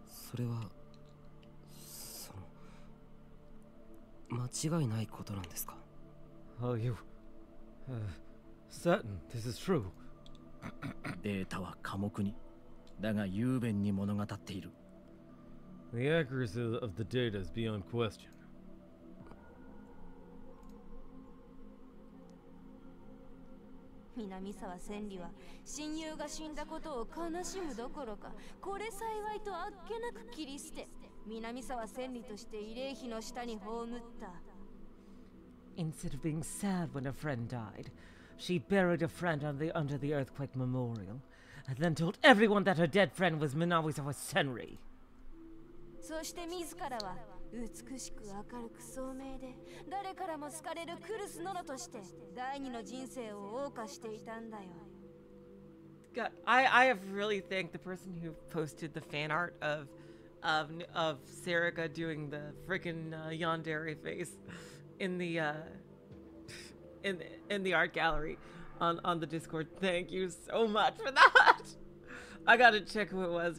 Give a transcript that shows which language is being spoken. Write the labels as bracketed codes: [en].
[ja] それはその間違いないことなんですか? [en] Are you certain this is true? [ja] データは寡黙に、だが雄弁に物語っている。 [en] The accuracy of the data is beyond question. [ja] Minamisawa Senri は親友が死んだことを悲しむどころか、これ幸いとあっけなく切り捨て、Minamisawa Senri として慰霊碑の下に葬った。 [en] Instead of being sad when a friend died, she buried a friend under the earthquake memorial, and then told everyone that her dead friend was Minamisawa Senri. [ja] そして自らは美しく明るく聡明で誰からも好かれるクルスノノとして第二の人生を謳歌していたんだよ。 [en] God, I have really thanked the person who posted the fan art of Serica doing the freaking yandere face in the art gallery on the Discord. Thank you so much for that. I gotta check who it was.